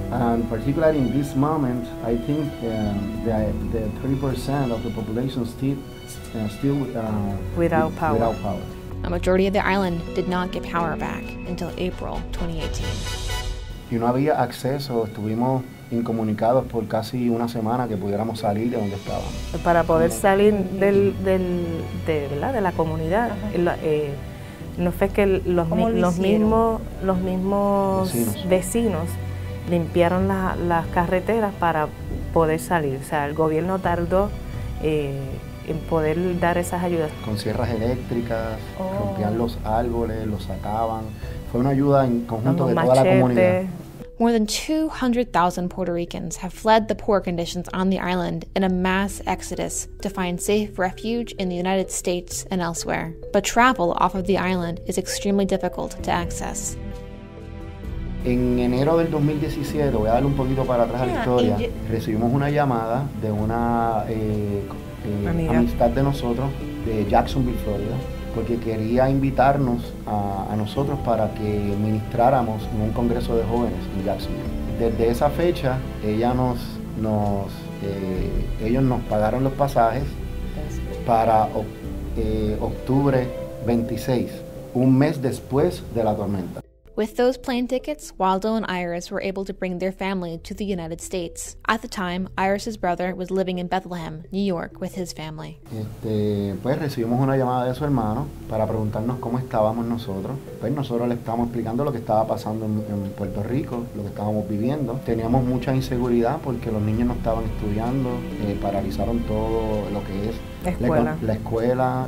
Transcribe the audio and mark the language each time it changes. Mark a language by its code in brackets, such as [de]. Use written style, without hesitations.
[en] And particularly in this moment, I think the 30% of the population still without power. Without power. A majority of the island did not get power back until April 2018. [es] Y no había acceso, estuvimos incomunicados por casi una semana que pudiéramos salir de donde estábamos. Para poder salir de la comunidad, no fue que los mismos vecinos limpiaron las carreteras para poder salir. O sea, el gobierno tardó en poder dar esas ayudas. Con sierras eléctricas, rompían los árboles, los sacaban. Fue una ayuda en conjunto de toda la comunidad. [en] More than 200,000 Puerto Ricans have fled the poor conditions on the island in a mass exodus to find safe refuge in the United States and elsewhere. But travel off of the island is extremely difficult to access. [es] En enero del 2017, voy a darle un poquito para atrás a la historia, recibimos una llamada de una amistad de nosotros de Jacksonville, Florida, porque quería invitarnos a nosotros para que ministráramos en un congreso de jóvenes en Jacksonville. Desde esa fecha, ellos nos pagaron los pasajes para octubre 26, un mes después de la tormenta. [en] With those plane tickets, Waldo and Iris were able to bring their family to the United States. At the time, Iris's brother was living in Bethlehem, New York, with his family. [es] Pues recibimos una llamada de su hermano para preguntarnos cómo estábamos nosotros. Pues nosotros le estábamos explicando lo que estaba pasando en Puerto Rico, lo que estábamos viviendo. Teníamos mucha inseguridad porque los niños no estaban estudiando, paralizaron todo lo que es la escuela,